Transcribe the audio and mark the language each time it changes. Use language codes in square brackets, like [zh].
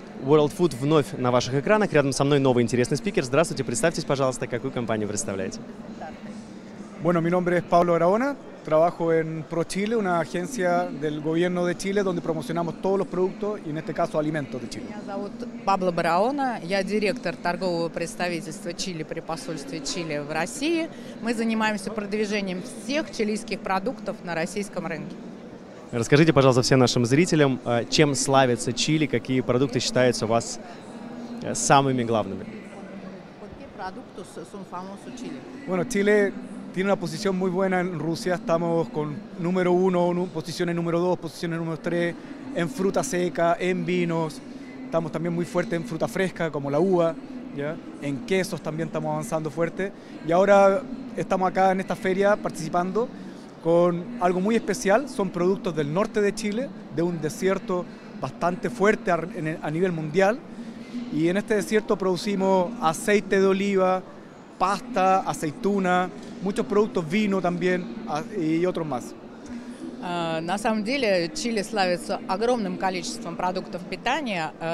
[ru] World Food вновь на ваших экранах. Рядом со мной новый интересный спикер. Здравствуйте, представьтесь, пожалуйста, какую компанию представляете. [es] Bueno, mi nombre es Pablo Araona. Trabajo en ProChile, una agencia del gobierno de Chile, donde promocionamos todos los productos y, en este caso, alimentos de Chile. [ru] Меня зовут Пабло Бараона, я директор торгового представительства Чили при посольстве Чили в России. Мы занимаемся продвижением всех чилийских продуктов на российском рынке. Расскажите, пожалуйста, всем нашим зрителям, чем славится Чили, какие продукты считаются у вас самыми главными. Какие продукты [es] son famosos Chile? Bueno, Chile tiene una posición muy buena en Rusia, estamos con número uno, posiciones número dos, posiciones número tres, en fruta seca, en vinos, estamos también muy fuerte en fruta fresca como la uva, ¿ya? En quesos también estamos avanzando fuerte y ahora estamos acá en esta feria participando con algo muy especial, son productos del norte de Chile, de un desierto bastante fuerte a nivel mundial y en este desierto producimos aceite de oliva, pasta, aceituna, muchos productos, [ru] вино [es] también y otros más. [ru] На самом деле Чили славится огромным количеством продуктов питания.